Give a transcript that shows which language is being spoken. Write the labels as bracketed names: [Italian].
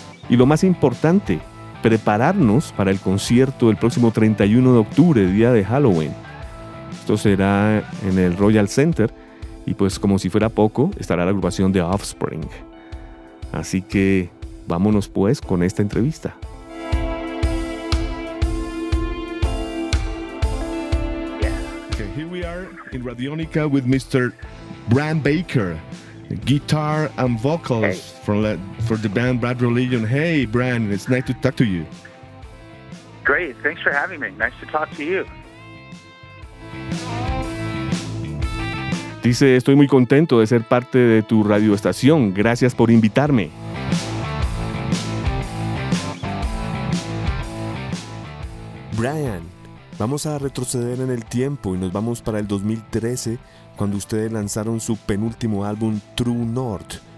[Spanish] Y lo más importante, prepararnos para el concierto el próximo 31 de octubre, día de Halloween. Esto será en el Royal Center y pues como si fuera poco, estará la agrupación de Offspring. Así que vámonos pues con esta entrevista. [English] Okay, here we are in Radionica with Mr. Bram Baker, guitar and vocals for the band Bad Religion. Hey, Bram, it's nice to talk to you. Great, thanks for having me. Nice to talk to you. [Spanish] Dice, estoy muy contento de ser parte de tu radioestación. Gracias por invitarme. Brian, vamos a retroceder en el tiempo y nos vamos para el 2013, cuando ustedes lanzaron su penúltimo álbum, True North.